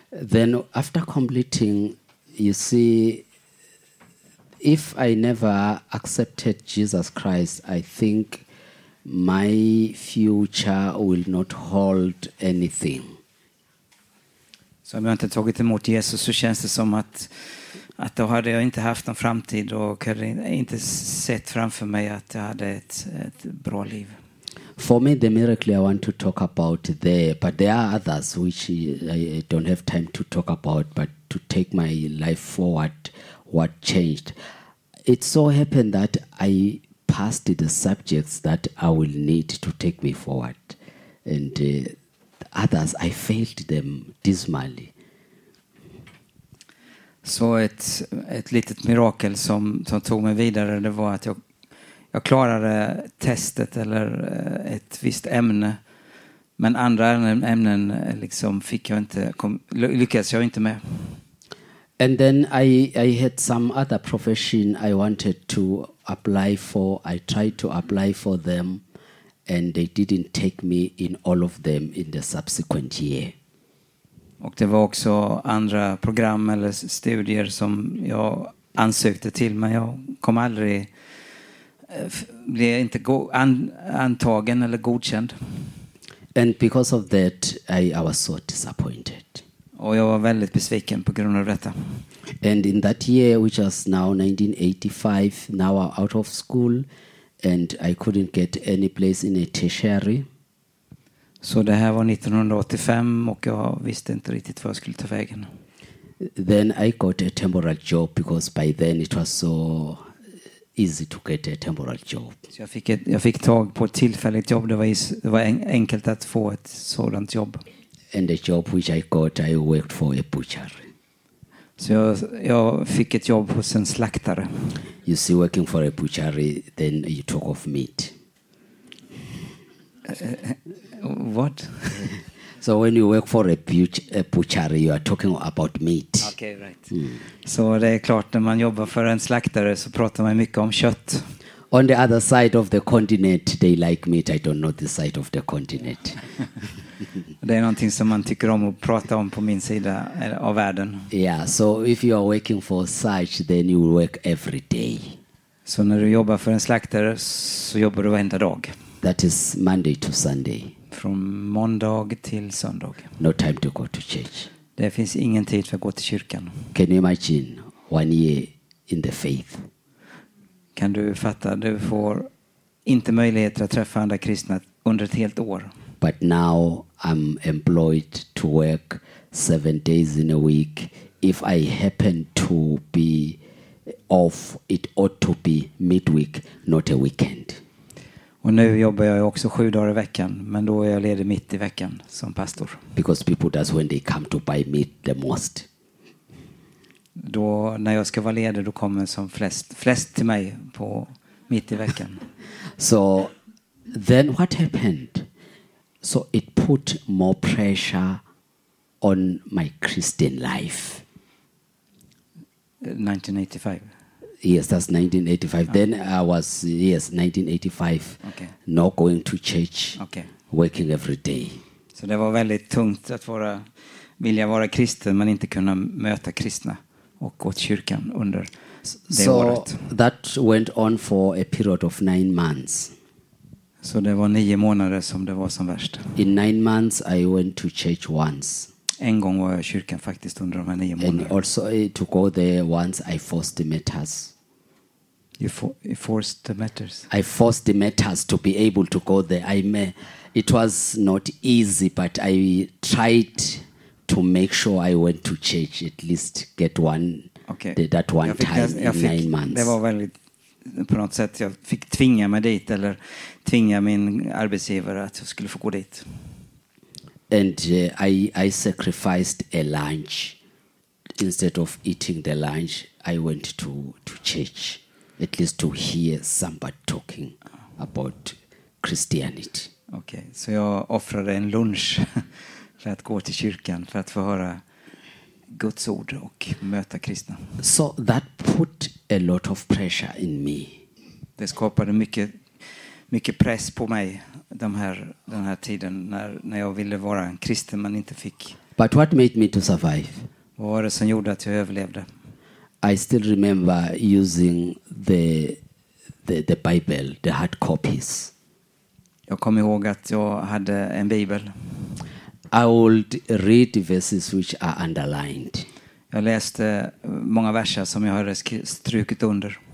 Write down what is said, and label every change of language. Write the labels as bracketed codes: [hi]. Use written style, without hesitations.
[en] Then after completing, you see, if I never accepted Jesus Christ, I think my future will not hold anything. [sv] Så om jag inte tagit emot Jesus, så känns det som att då hade jag inte haft någon framtid och hade inte sett framför mig att jag hade ett bra liv. [en] For me, the miracle I want to talk about there, but there are others which I don't have time to talk about, but to take my life forward, what changed. It so happened that I past the subjects that I will need to take me forward, and others I failed them dismally. [sv] Så ett litet mirakel som tog mig vidare, det var att jag klarade testet eller ett visst ämne, men andra ämnen liksom lyckades jag inte med. [en] And then I had some other profession I wanted to apply for. I tried to apply for them, and they didn't take me in all of them in the subsequent year. [sv] Och det var också andra program eller studier som jag ansökte till, men jag kom aldrig, blev inte antagen eller godkänd. [en] And because of that, I was so disappointed. [sv] Och jag var väldigt besviken på grund av detta. [en] And in that year, which was now 1985, now I'm out of school, and I couldn't get any place in a tertiary. [sv] Så det här var 1985 och jag visste inte riktigt vad jag skulle ta vägen. [en] Then I got a temporary job, because by then it was so easy to get a temporary job. [sv] Så jag fick tag på ett tillfälligt jobb. Det var enkelt att få ett sådant jobb. [en] And the job which I got, I worked for a butcher. [sv] Så jag fick ett jobb hos en slaktare. [en] You see, working for a butchery, then you talk of meat. What? So when you work for a butchery, you are talking about meat. Okay, right. Mm. [sv] Så det är klart, när man jobbar för en slaktare så pratar man mycket om kött. [en] On the other side of the continent, they like meat. I don't know the side of the continent. [sv] Det är någonting som man tycker om att prata om på min sida av världen. [en] Yeah, so if you are working for such, then you work every day. [sv] Så när du jobbar för en slaktare så jobbar du varenda dag. [en] That is Monday to Sunday. [sv] Från måndag till söndag. [en] No time to go to church. [sv] Det finns ingen tid för att gå till kyrkan. [en] Can you imagine 1 year in the faith? [sv] Kan du fatta, du får inte möjlighet att träffa andra kristna under ett helt år. [en] But now I'm employed to work 7 days in a week. If I happen to be off, it ought to be midweek, not a weekend. [sv] Och nu jobbar jag också 7 dagar i veckan, men då är jag ledig mitt i veckan som pastor. [en] Because people, that's when they come to buy meat the most. [sv] Då när jag ska vara ledig, då kommer som flest till mig på mitt i veckan. [en] So then what happened? So it put more pressure on my Christian life. 1985. Yes, that's 1985. Okay. Then I was 1985. Okay. Not going to church. Okay. Working every day. [sv] Så det var väldigt tungt att vilja vara kristen men inte kunna möta kristna och gå till kyrkan under det [en] so [sv] året. [en] So that went on for a period of 9 months. [sv] Så det var 9 månader som det var som värst. [en] In 9 months I went to church once. [sv] En gång var jag i kyrkan faktiskt under de här 9 månaderna. [en] And also to go there once I forced the matters. You forced the matters. I forced the matters to be able to go there. It was not easy, but I tried to make sure I went to church at least get one. Okay. That one time in 9 months. [sv] Det var väldigt på något sätt, jag fick tvinga mig dit eller tvinga min arbetsgivare att jag skulle få gå dit. [en] And I sacrificed a lunch. Instead of eating the lunch, I went to church at least to hear somebody talking about Christianity. [sv] Okay, så jag offrade en lunch för att gå till kyrkan för att få höra Guds ord och möta kristna. [en] So that put a lot of pressure in me. [sv] Det skapade mycket press på mig den här tiden när jag ville vara en kristen men inte fick. [en] But what made me to survive? [sv] Vad var det som gjorde att jag överlevde? [en] I still remember using the Bible, the hard copies. [sv] Jag kommer ihåg att jag hade en bibel. [en] I would read verses which are underlined. [sv] Jag läste många verser som jag hade strukit under.